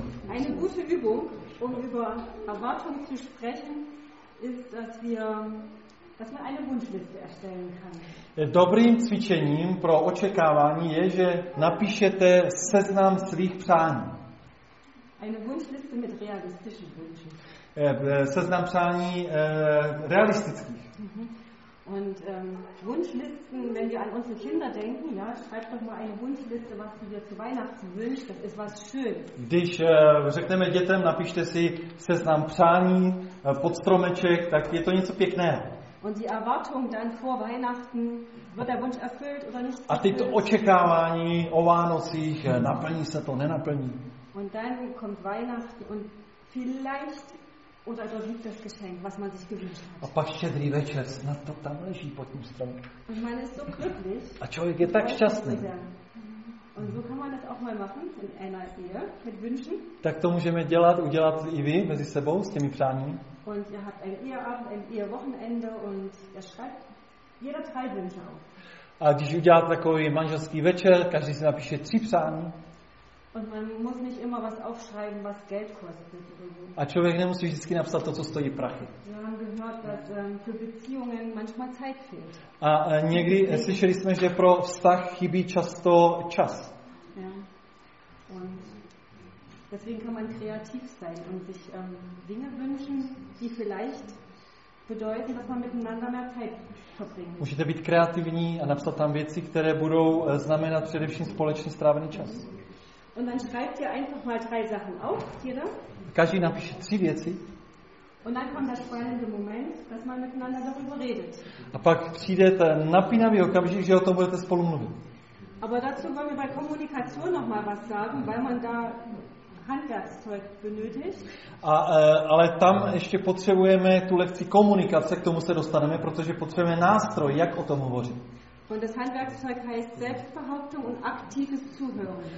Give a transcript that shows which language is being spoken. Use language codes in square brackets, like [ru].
[de] Eine gute Übung, um über Erwartungen zu sprechen, ist, dass man eine Wunschliste erstellen kann. [cs] Dobrým cvičením pro očekávání je, že napíšete seznam svých přání. [de] Eine Wunschliste mit realistischen Wünschen. [cs] Seznam přání realistických. [de] Und Wunschlisten, wenn wir an unsere Kinder denken, ja, schreib doch mal eine Wunschliste, was du dir zu Weihnachten wünschst, das ist was schön. [cs] Když řekneme dětem, napište si seznam přání pod stromeček, tak je to něco pěkného. [de] Und die Erwartung dann vor Weihnachten, wird der Wunsch erfüllt oder nicht? [cs] A tyto očekávání o Vánocích, naplní se to, nenaplní. [de] Und dann kommt Weihnachten und vielleicht oder da liegt das Geschenk, was man sich gewünscht hat. [cs] A pak štědrý večer, snad to tam leží pod tím stromem. [de] Und man ist so glücklich. [cs] A člověk je tak šťastný. [de] Und so kann man das auch mal machen in einer Ehe mit Wünschen. [cs] Tak to můžeme dělat, udělat i vy mezi sebou s těmi přání. [de] Und ihr habt ein Eheabend, ein Ehewochenende und ihr schreibt jeder drei Wünsche auf. [cs] A když uděláte takový manželský večer, každý si napíše tři přání. [de] Und man muss nicht immer was aufschreiben, was Geld kostet oder so. [cs] A člověk nemusí vždycky napsat to, co stojí prachy. [de] Wir haben gehört, dass für Beziehungen manchmal Zeit fehlt. [cs] A někdy slyšeli jsme, že pro vztah chybí často čas. [de] Ja. Und deswegen kann man kreativ sein und sich Dinge wünschen, die vielleicht bedeuten, dass man miteinander mehr Zeit verbringt. [cs] Musíte být kreativní a napsat tam věci, které budou znamenat především společně strávený čas. [de] Und dann schreibt ihr einfach mal drei Sachen auf, jeder. [cs] Každý napíše tři věci. [de] Und dann kommt der spannende Moment, dass man miteinander darüber redet. [cs] A pak přijde ten napínavý okamžik, že o tom budete spolu mluvit. [de] Aber dazu wollen wir bei Kommunikation noch mal was sagen, weil man da Handwerkszeug benötigt. [cs] Ale tam ještě potřebujeme tu lekci komunikace, k tomu se dostaneme, protože potřebujeme nástroj, jak o tom hovořit. [de] Und das Handwerkszeug heißt Selbstbehauptung und aktives Zuhören.